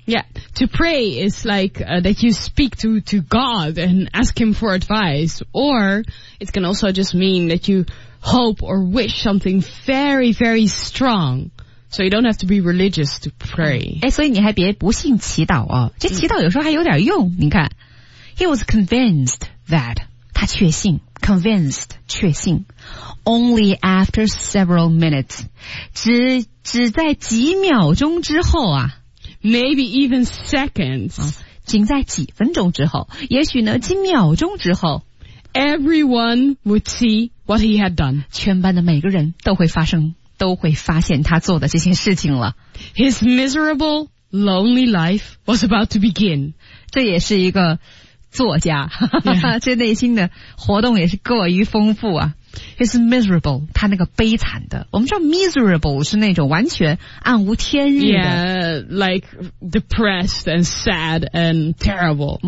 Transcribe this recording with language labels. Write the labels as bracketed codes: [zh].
[en] Yeah, to pray is like, that you speak to God and ask him for advice, or it can also just mean that you hope or wish something very, very strong. So you don't have to be religious to pray. [zh] 哎，所以你还别不信祈祷哦，这祈祷有时候还有点用。你看 ， [en] He was convinced that [zh] 他确信 ，convinced 确信 ， [en] only after several minutes [zh] 只在几秒钟之后啊 [en] ，maybe even seconds [zh] 仅在几分钟之后，也许呢几秒钟之后 [en] ，everyone would see what he had done. [zh] 全班的每个人都会发生。都会发现他做的这些事情了。 [en] His miserable, lonely life was about to begin. [zh] 这也是一个作家，这内心的活动也是过于丰富啊。 [en] His miserable, [zh] 他那个悲惨的。我们知道 miserable 是那种完全暗无天日的。 [en] Yeah, like depressed and sad and terrible.